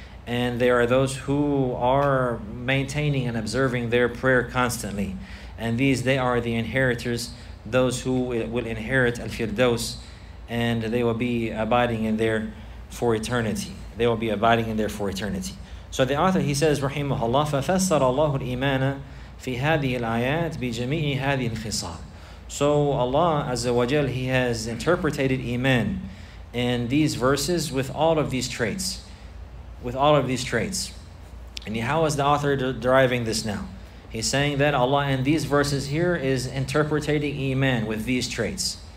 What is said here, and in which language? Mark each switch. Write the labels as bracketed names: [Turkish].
[English] And there are those who are maintaining and observing their prayer constantly. And these, they are the inheritors, those who will inherit al-firdaus, and they will be abiding in their for eternity. They will be abiding in there for eternity. So the author, he says, [Arabic] rahimahullah, فَفَسَّرَ اللَّهُ الْإِيمَانَ فِي هَذِهِ الْآيَاتِ بِجَمِيعِ هَذِهِ الْخِصَالِ. [English] So Allah Azza wa Jal, he has interpreted Iman in these verses with all of these traits. With all of these traits. And how is the author deriving this now? He's saying that Allah in these verses here is interpreting Iman with these traits.